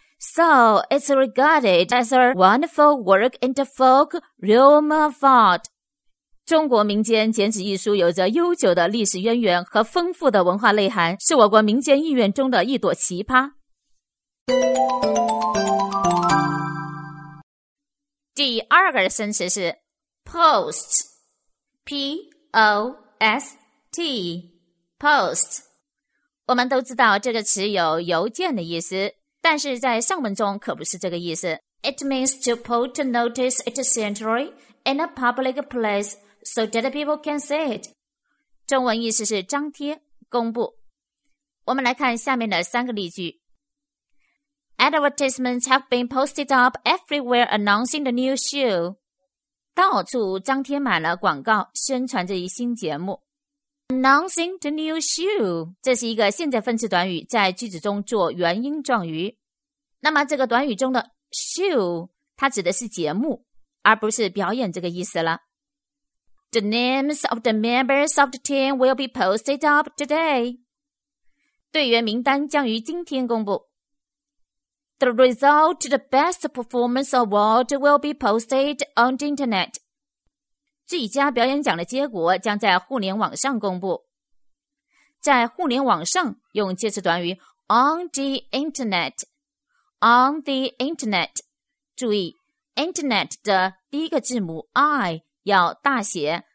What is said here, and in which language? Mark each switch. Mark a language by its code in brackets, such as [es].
[en] So, it's regarded as a wonderful work in the folk realm of art. [zh] 中国民间剪纸艺术有着悠久的历史渊源和丰富的文化内涵，是我国民间意愿中的一朵奇葩。第二个生词是 post, P-O-S-T, post. 我们都知道这个词有邮件的意思，但是在上文中可不是这个意思。 [en] It means to put a notice at a centrally in a public place so that people can see it. [zh] 中文意思是张贴、公布。我们来看下面的三个例句。 [en] Advertisements have been posted up everywhere announcing the new show. [zh] 到处张贴满了广告，宣传这一新节目。 [en] Announcing the new show， [zh] 这是一个现在分词短语，在句子中做元音状语。那么这个短语中的 show， 它指的是节目，而不是表演这个意思了。 [en] The names of the members of the team will be posted up today. [zh] 队员名单将于今天公布。 [en] The result to the best performance award will be posted on the internet. [zh] 最佳表演奖的结果将在互联网上公布。在互联网上用介词短语 [en] on the internet， on the internet， [zh] 注意 internet 的第一个字母 I 要大写，